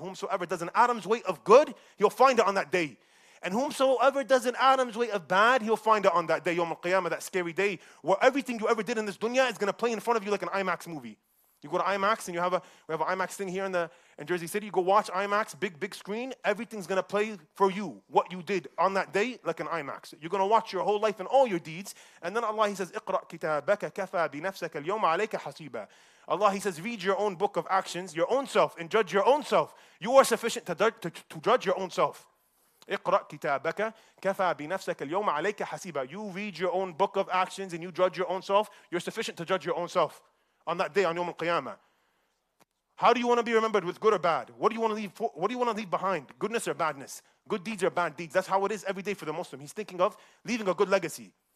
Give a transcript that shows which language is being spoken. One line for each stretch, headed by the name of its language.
English: Whomsoever does an atom's weight of good, he'll find it on that day. And whomsoever does an atom's weight of bad, he'll find it on that day, Yawm al-Qiyamah, that scary day, where everything you ever did in this dunya is going to play in front of you like an IMAX movie. You go to IMAX and we have an IMAX thing here in Jersey City. You go watch IMAX, big screen. Everything's going to play for you, what you did on that day, like an IMAX. You're going to watch your whole life and all your deeds. And then Allah, He says,
Arabic: اقرأ كتابك كفى بنفسك اليوم عليك حسيبا.
English: Allah, He says, read your own book of actions, your own self, and judge your own self. You are sufficient to judge your own self.
Arabic: اقرأ كتابك كفى بنفسك اليوم عليك حسيبا.
English: You read your own book of actions and you judge your own self. You're sufficient to judge your own self on that day, on Yawm al-Qiyamah. How do you want to be remembered, with good or bad? What do you want to leave for, what do you want to leave behind? Goodness or badness? Good deeds or bad deeds? That's how it is every day for the Muslim. He's thinking of leaving a good legacy.